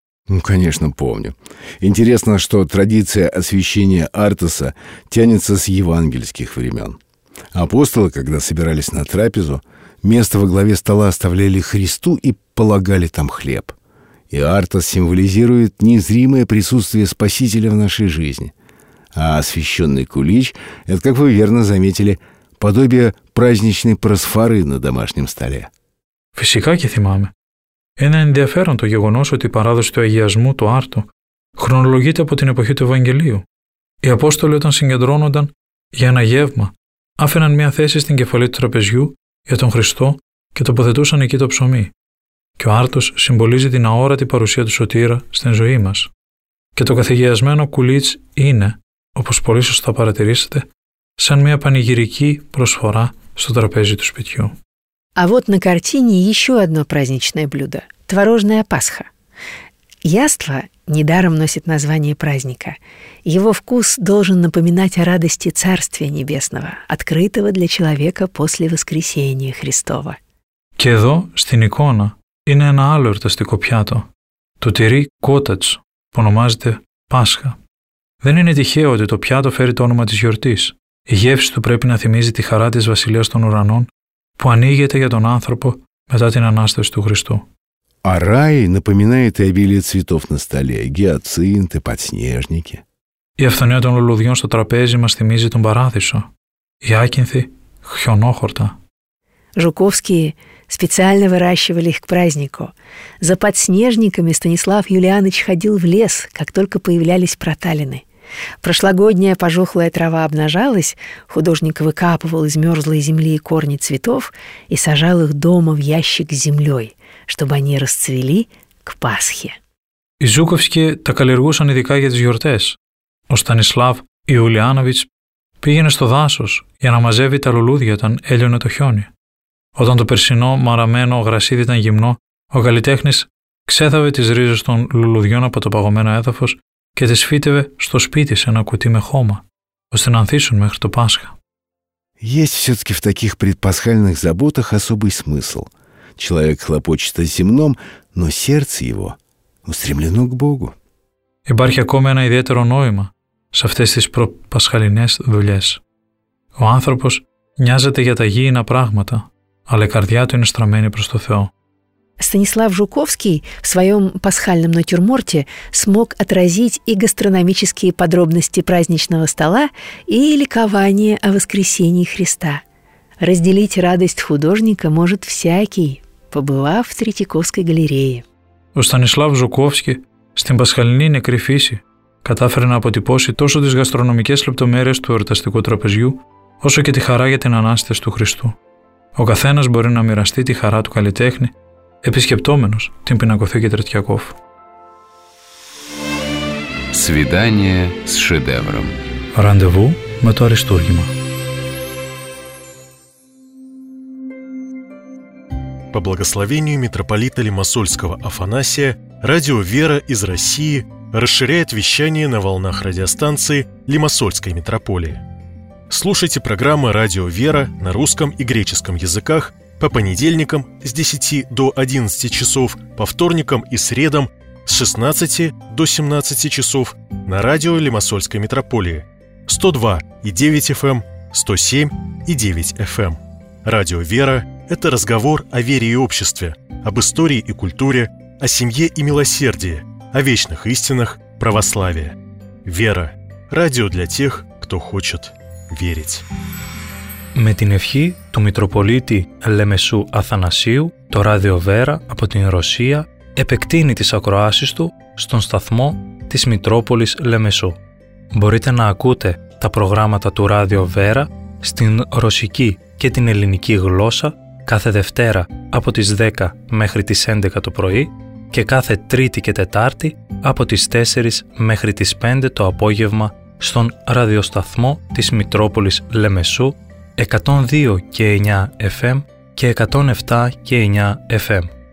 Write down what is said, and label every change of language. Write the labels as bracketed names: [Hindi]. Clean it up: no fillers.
[Russian] Ну, конечно, помню. Интересно, что традиция освящения артоса тянется с евангельских времен. Апостолы, когда собирались на трапезу, место во главе стола оставляли Христу и полагали там хлеб. И артос символизирует незримое присутствие Спасителя в нашей жизни. А освященный кулич – это, как вы верно заметили, подобие праздничной просфоры на домашнем столе. Фисика кетимаме. [Greek] Είναι ενδιαφέρον το γεγονός ότι η παράδοση του αγιασμού, το άρτο, χρονολογείται από την εποχή του Ευαγγελίου. Οι Απόστολοι, όταν συγκεντρώνονταν για ένα γεύμα, άφηναν μια θέση στην κεφαλή του τραπεζιού για τον Χριστό και τοποθετούσαν εκεί το ψωμί. Και ο άρτος συμβολίζει την αόρατη παρουσία του Σωτήρα στην ζωή μας. Και το καθηγιασμένο κουλίτς είναι, όπως πολύ σωστά παρατηρήσετε, σαν μια πανηγυρική προσφορά στο τραπέζι του σπιτιού. [Russian] А вот на картине еще одно праздничное блюдо – творожная Пасха. Яство недаром носит название праздника. Его вкус должен напоминать о радости Царствия Небесного, открытого для человека после воскресения Христова. [Greek] Και εδώ, στην εικόνα, είναι ένα άλλο εορταστικό πιάτο – το τυρί κότατς, που ονομάζεται Πάσχα. Δεν είναι τυχαίο ότι το πιάτο φέρει το όνομα της γιορτής. Η γεύση του πρέπει να θυμίζει τη χαρά της Βασιλείας των Ουρανών, που ανοίγεται για τον άνθρωπο μετά την Ανάσταση του Χριστού. [Russian] А рай напоминает обилие цветов на столе, гиацинты, подснежники. [Greek] Η αυθονία των λουλουδιών στο τραπέζι μας θυμίζει τον Παράδεισο. Якинты хёнохорта. [Russian] Жуковские специально выращивали их к празднику. За подснежниками Станислав Юлианыч ходил в лес, как только появлялись проталины. Прошлогодняя пожухлая трава обнажалась, художник выкапывал из мерзлой земли корни цветов и сажал их дома в ящик с землей, чтобы они расцвели к Пасхе. [Greek] Οι Ζούκοφσκοι τα καλλιεργούσαν ειδικά για τις γιορτές. Ο Στανισλάβ Ιουλιάνοβιτς πήγαινε στο δάσος για να μαζεύει τα λουλούδια όταν έλειωνε το χιόνι. Όταν το περσινό μαραμένο γρασίδι ήταν γυμνό, ο καλλιτέχνης ξέθαβε τις ρίζες των λουλουδιών από το παγωμένο έδαφος και τις φύτευε στο σπίτι σε ένα κουτί με χώμα, ώστε να ανθίσουν μέχρι το Πάσχα. [Russian] Есть все-таки в таких предпасхальных заботах особый смысл. Человек хлопочет о земном, но сердце его устремлено к Богу. [Greek] Υπάρχει ακόμη ένα ιδιαίτερο νόημα σε αυτές τις προπασχαλινές δουλειές. Ο άνθρωπος νοιάζεται για τα γήινα πράγματα, αλλά η καρδιά του είναι στραμμένη προς το Θεό. [Russian] Станислав Жуковский в своем пасхальном натюрморте смог отразить и гастрономические подробности праздничного стола, и ликование о воскресении Христа. Разделить радость художника может всякий, побывав в Третьяковской галерее. [Greek] Ο Станислав Ζουκόφσκι στην Πασχαλινή Νεκρή Φύση κατάφερε να αποτυπώσει τόσο τις γαστρονομικές λεπτομέρειες του εορταστικού τραπεζιού, όσο και τη χαρά για την Ανάσταση του Χριστού. Ο καθένας μπορεί να μοιραστεί τη χαρά του καλλιτέχνη, επισκεπτόμενος την Πινακοθήκη Τρετιακόφ. [Russian] Свидание с шедевром. [Greek] Ραντεβού με το Αριστούργημα. [Russian] По благословению митрополита Лимассольского Афанасия, радио «Вера» из России расширяет вещание на волнах радиостанции Лимассольской митрополии. Слушайте программы «Радио «Вера» на русском и греческом языках по понедельникам с 10 до 11 часов, по вторникам и средам с 16 до 17 часов на радио Лимассольской митрополии 102.9 FM, 107.9 FM. Радио «Вера» – это разговор о вере и обществе, об истории и культуре, о семье и милосердии, о вечных истинах православия. «Вера» – радио для тех, кто хочет верить. [Greek] Με την ευχή του Μητροπολίτη Λεμεσού Αθανασίου, το Ράδιο Βέρα από την Ρωσία επεκτείνει τις ακροάσεις του στον σταθμό της Μητρόπολης Λεμεσού. Μπορείτε να ακούτε τα προγράμματα του Ράδιο Βέρα στην ρωσική και την ελληνική γλώσσα κάθε Δευτέρα από τις 10 μέχρι τις 11 το πρωί και κάθε Τρίτη και Τετάρτη από τις 4 μέχρι τις 5 το απόγευμα στον ραδιοσταθμό της Μητρόπολης Λεμεσού 102 και 9 FM και 107 και 9 FM.